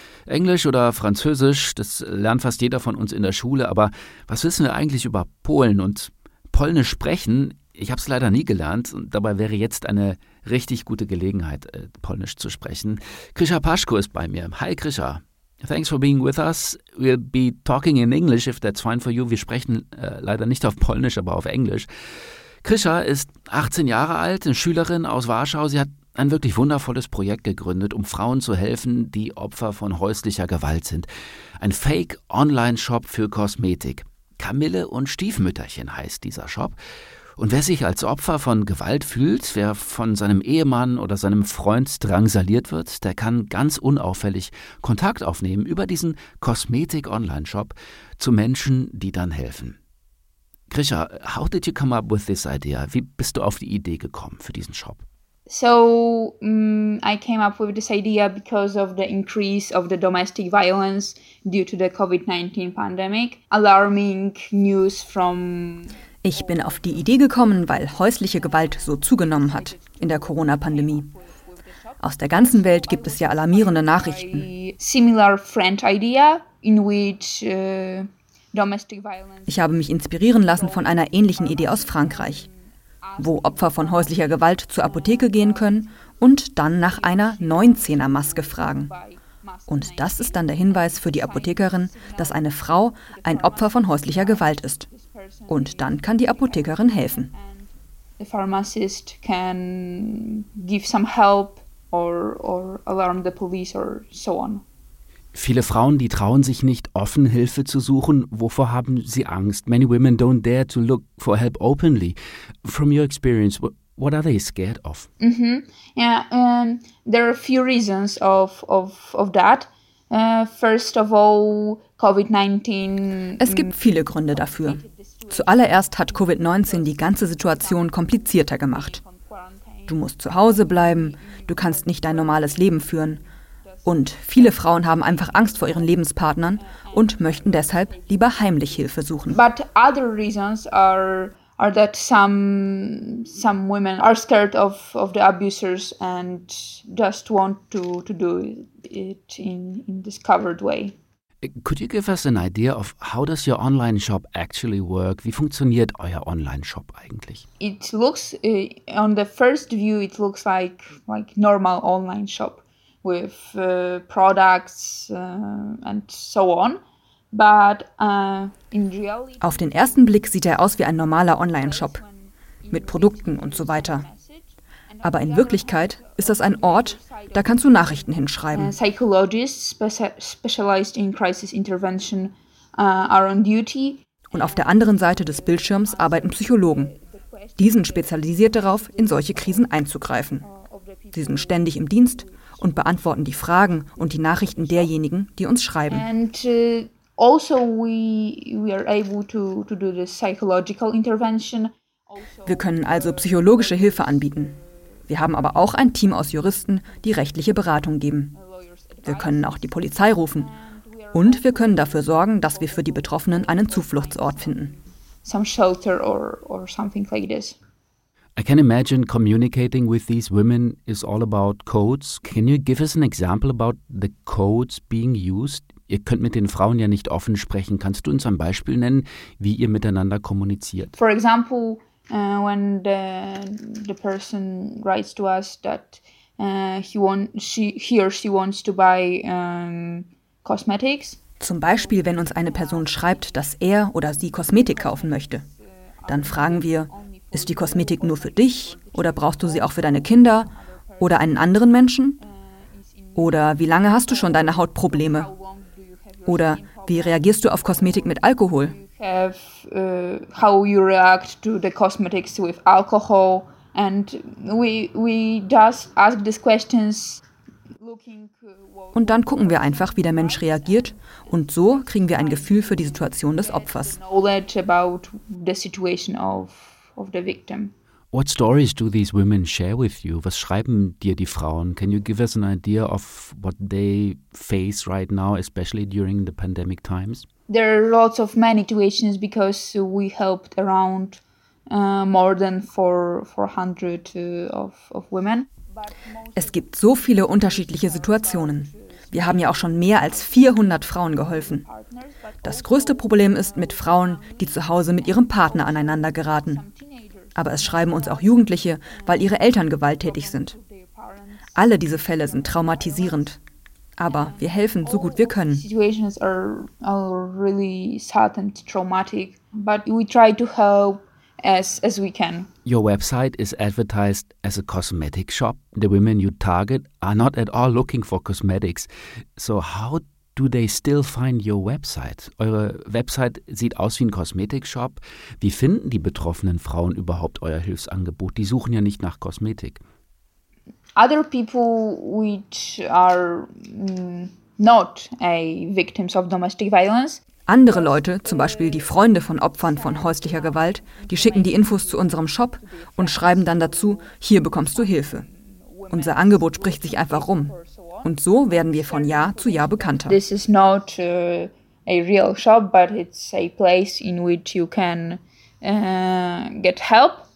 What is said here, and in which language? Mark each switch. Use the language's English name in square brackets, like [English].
[German] Englisch oder Französisch, das lernt fast jeder von uns in der Schule, aber was wissen wir eigentlich über Polen und Polnisch sprechen? Ich habe es leider nie gelernt und dabei wäre jetzt eine richtig gute Gelegenheit, Polnisch zu sprechen. Krisha Paschko ist bei mir. [English] Hi Krisha. Thanks for being with us. We'll be talking in English, if that's fine for you. [German] Wir sprechen leider nicht auf Polnisch, aber auf Englisch. Krisha ist 18 Jahre alt, eine Schülerin aus Warschau. Sie hat ein wirklich wundervolles Projekt gegründet, um Frauen zu helfen, die Opfer von häuslicher Gewalt sind. Ein Fake-Online-Shop für Kosmetik. Kamille und Stiefmütterchen heißt dieser Shop. Und wer sich als Opfer von Gewalt fühlt, wer von seinem Ehemann oder seinem Freund drangsaliert wird, der kann ganz unauffällig Kontakt aufnehmen über diesen Kosmetik-Online-Shop zu Menschen, die dann helfen. [English] Krisha, how did you come up with this idea? [German] Wie bist du auf die Idee gekommen für diesen Shop? [English] So, I came up with this idea because of the increase of the domestic violence due to the COVID-19 pandemic. Alarming news from... [German] Ich bin auf die Idee gekommen, weil häusliche Gewalt so zugenommen hat in der Corona-Pandemie. Aus der ganzen Welt gibt es ja alarmierende Nachrichten. Ich habe mich inspirieren lassen von einer ähnlichen Idee aus Frankreich, wo Opfer von häuslicher Gewalt zur Apotheke gehen können und dann nach einer 19er-Maske fragen. Und das ist dann der Hinweis für die Apothekerin, dass eine Frau ein Opfer von häuslicher Gewalt ist. Und dann kann die Apothekerin helfen. [English] The pharmacist can give some help or alarm the police or so on. [German] Viele Frauen, die trauen sich nicht, offen Hilfe zu suchen. Wovor haben sie Angst? [English] Many women don't dare to look for help openly. From your experience, what are they scared of? Mm-hmm. Yeah, there are a few reasons of that. First of all, COVID-19. [German] Es gibt viele Gründe dafür. Zuallererst hat Covid-19 die ganze Situation komplizierter gemacht. Du musst zu Hause bleiben, du kannst nicht dein normales Leben führen. Und viele Frauen haben einfach Angst vor ihren Lebenspartnern und möchten deshalb lieber heimlich Hilfe suchen. [English] But other reasons are that some women are scared of the abusers and just want to do it in this covered way. Could you give us an idea of how does your online shop actually work? [German] Wie funktioniert euer online shop eigentlich? [English] It looks on the first view it looks like normal online shop with products and so on, but in reality. [German] Auf den ersten Blick sieht er aus wie ein normaler Online-Shop mit Produkten und so weiter. Aber in Wirklichkeit ist das ein Ort, da kannst du Nachrichten hinschreiben. Und auf der anderen Seite des Bildschirms arbeiten Psychologen. Die sind spezialisiert darauf, in solche Krisen einzugreifen. Sie sind ständig im Dienst und beantworten die Fragen und die Nachrichten derjenigen, die uns schreiben. [English] And also we are able to do the psychological intervention. [German] Wir können also psychologische Hilfe anbieten. Wir haben aber auch ein Team aus Juristen, die rechtliche Beratung geben. Wir können auch die Polizei rufen. Und wir können dafür sorgen, dass wir für die Betroffenen einen Zufluchtsort finden. [English] Some shelter or something like this. I can imagine communicating with these women is all about codes. Can you give us an example about the codes being used? [German] Ihr könnt mit den Frauen ja nicht offen sprechen. Kannst du uns ein Beispiel nennen, wie ihr miteinander kommuniziert? [English] For example, when the person writes to us that he or she wants to buy cosmetics. [German] Zum Beispiel, wenn uns eine Person schreibt, dass er oder sie Kosmetik kaufen möchte. Dann fragen wir, ist die Kosmetik nur für dich oder brauchst du sie auch für deine Kinder oder einen anderen Menschen? Oder wie lange hast du schon deine Hautprobleme? Oder wie reagierst du auf Kosmetik mit Alkohol? [English] How you react to the cosmetics with alcohol? And we just ask these questions. [German] Und dann gucken wir einfach, wie der Mensch reagiert, und so kriegen wir ein Gefühl für die Situation des Opfers. [English] Knowledge about the situation of the victim. What stories do these women share with you? [German] Was schreiben dir die Frauen? [English] Can you give us an idea of what they face right now, especially during the pandemic times? There are lots of many situations because we helped around more than 400 of women. [German] Es gibt so viele unterschiedliche Situationen. Wir haben ja auch schon mehr als 400 Frauen geholfen. Das größte Problem ist mit Frauen, die zu Hause mit ihrem Partner aneinander geraten. Aber es schreiben uns auch Jugendliche, weil ihre Eltern gewalttätig sind. Alle diese Fälle sind traumatisierend. Aber wir helfen so gut wir können. [English] Situations are really sad and traumatic, but we try to help as we can. Your website is advertised as a cosmetic shop. The women you target are not at all looking for cosmetics. So how do they still find your website? [German] Eure Website sieht aus wie ein Kosmetikshop. Wie finden die betroffenen Frauen überhaupt euer Hilfsangebot? Die suchen ja nicht nach Kosmetik. [English] Other people which are not a victims of domestic violence. [German] Andere Leute, zum Beispiel die Freunde von Opfern von häuslicher Gewalt, die schicken die Infos zu unserem Shop und schreiben dann dazu, hier bekommst du Hilfe. Unser Angebot spricht sich einfach rum. Und so werden wir von Jahr zu Jahr bekannter. [English] This is not a real shop, but it's a place in which you can get help.